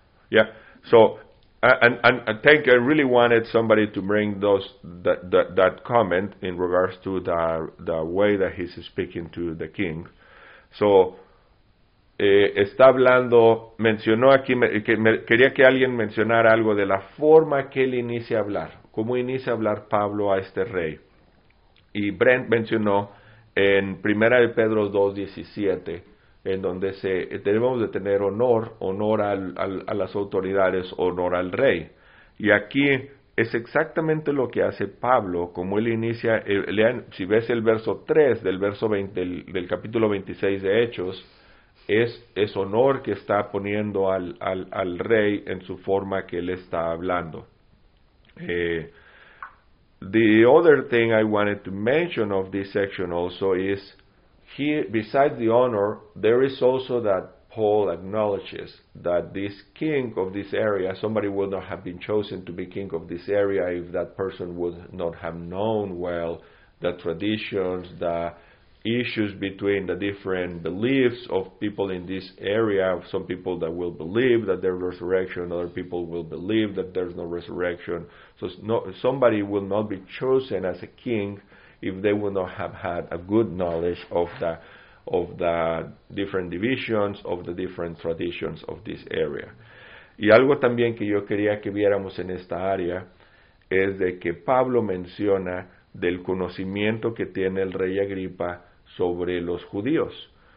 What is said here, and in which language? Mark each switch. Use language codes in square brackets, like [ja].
[en] Yeah. So, and thank you. I really wanted somebody to bring those that comment in regards to the way that he's speaking to the king. [es] So, está hablando, mencionó aquí, quería que alguien mencionara algo de la forma que él inicia a hablar, cómo inicia a hablar Pablo a este rey. Y Brent mencionó en Primera de Pedro 2:17, en donde se debemos de tener honor a las autoridades, honor al rey. Y aquí es exactamente lo que hace Pablo, como él inicia, lean, si ves el verso 3 del verso 20, del capítulo 26 de Hechos, es honor que está poniendo al rey en su forma que él está hablando. [en] The other thing I wanted to mention of this section also is, besides the honor, there is also that Paul acknowledges that this king of this area, somebody would not have been chosen to be king of this area if that person would not have known well the traditions, the issues between the different beliefs of people in this area. Some people that will believe that there's resurrection, other people will believe that there's no resurrection. So somebody will not be chosen as a king if they would not have had a good knowledge of the different divisions, of the different traditions of this area. [es] Y algo también que yo quería que viéramos en esta área es de que Pablo menciona del conocimiento que tiene el rey Agripa sobre los judíos.